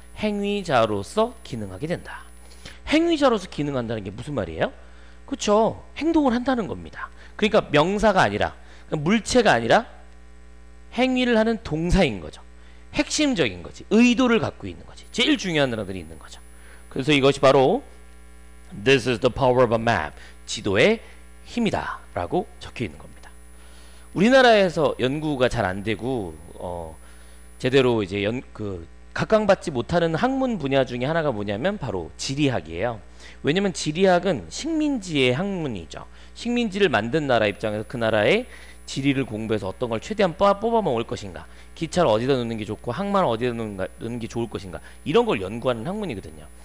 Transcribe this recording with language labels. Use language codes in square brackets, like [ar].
[ko] 행위자로서 기능하게 된다. 행위자로서 기능한다는 게 무슨 말이에요? 그렇죠. 행동을 한다는 겁니다. 그러니까 명사가 아니라 물체가 아니라 행위를 하는 동사인 거죠. 핵심적인 거지. 의도를 갖고 있는 거지. 제일 중요한 단어들이 있는 거죠. 그래서 이것이 바로 [en] This is the power of a map. [ko] 지도의 힘이다 라고 적혀 있는 겁니다. 우리나라에서 연구가 잘 안 되고 제대로 이제 각광받지 못하는 학문 분야 중에 하나가 뭐냐면 바로 지리학이에요. 왜냐면 지리학은 식민지의 학문이죠. 식민지를 만든 나라 입장에서 그 나라의 지리를 공부해서 어떤 걸 최대한 뽑아먹을 것인가 기차를 어디다 놓는 게 좋고 항만을 어디다 놓는 게 좋을 것인가 이런 걸 연구하는 학문이거든요.